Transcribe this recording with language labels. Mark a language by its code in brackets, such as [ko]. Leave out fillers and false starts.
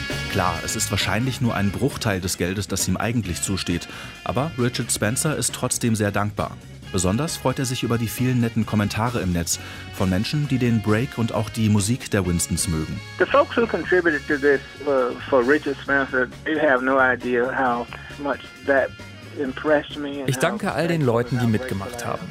[de] Klar, es ist wahrscheinlich nur ein Bruchteil des Geldes, das ihm eigentlich zusteht. Aber Richard Spencer ist trotzdem sehr dankbar. Besonders freut er sich über die vielen netten Kommentare im Netz von Menschen, die den Break und auch die Musik der Winstons mögen. [en] The folks who contributed to this for Richard Spencer, you have no idea how much that impressed me. [de] Ich danke all den Leuten, die mitgemacht haben.